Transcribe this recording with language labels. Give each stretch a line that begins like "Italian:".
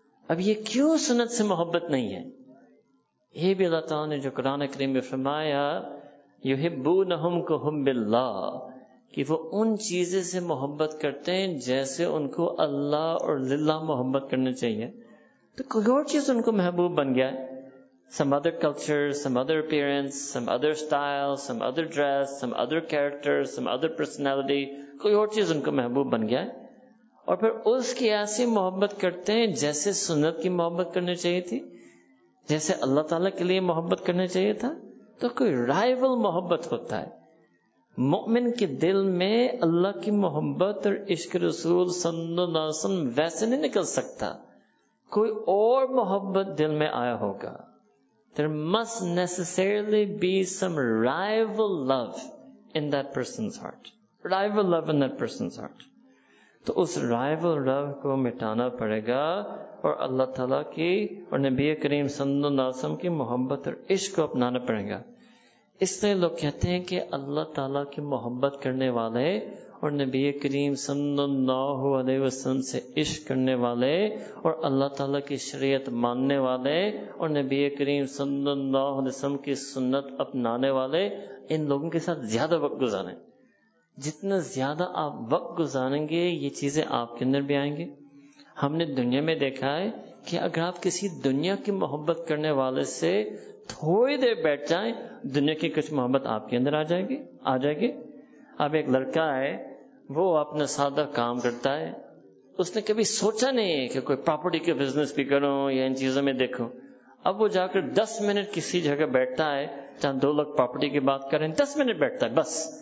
Hindi: अब ये क्यों सुन्नत से मोहब्बत नहीं है? ये भी अल्लाह ताला ने जो कुरान करीम में फरमाया, युहिब्बूनहुम कहुब्बिल्लाह, कि वो उन चीजें से मोहब्बत करते हैं जैसे उनको अल्लाह और लिल्ला मोहब्बत करना चाहिए. तो कोई और चीज उनको महबूब बन गया है.
English: Some other culture, some other appearance, some other style, some other dress, some other character, some other personality.
Hindi: कोई और चीज उनको महबूब बन गया है. और फिर उसकी ऐसी मोहब्बत करते हैं जैसे सुन्नत की मोहब्बत करनी चाहिए थी, जैसे अल्लाह ताला के लिए मोहब्बत करनी चाहिए था. तो कोई राइवल मोहब्बत होता है. मोमिन के दिल में अल्लाह की मोहब्बत और इश्क रसूल सल्लल्लाहु अलैहि वसल्लम वैसे नहीं निकल सकता. कोई और मोहब्बत दिल में आया होगा.
English: There must necessarily be some rival love in that person's heart. Rival love in that person's heart.
Hindi: To us rival love ko mitana padega, aur Allah Taala ki aur Nabi Kareem Sallallahu Alaihi Wasallam ki mohabbat aur ishq ko apnana padega. Isliye log kehte hain ki Allah Taala ki mohabbat karne wale aur Nabi Kareem Sallallahu Alaihi Wasallam se ishq karne wale aur Allah Taala ki shariat manne wale aur Nabi Kareem Sallallahu Alaihi Wasallam ki sunnat apnane wale, in logon ke sath zyada waqt guzare. Jitna zyada aap waqt guzarenge ye cheeze aapke andar bhi aayenge. Humne duniya mein dekha hai ki agar aap kisi duniya ki mohabbat karne wale se थोड़ी देर बैठ जाए, दुनिया की कुछ मोहब्बत आपके अंदर आ जाएगी. आ जाएगी. अब एक लड़का है, वो अपना सादा काम करता है. उसने कभी सोचा नहीं है कि कोई प्रॉपर्टी के बिजनेस भी करूं या इन चीजों में देखूं. अब वो जाकर 10 मिनट किसी जगह बैठता है जहां दो लोग प्रॉपर्टी की बात करें, 10 मिनट बैठता है बस.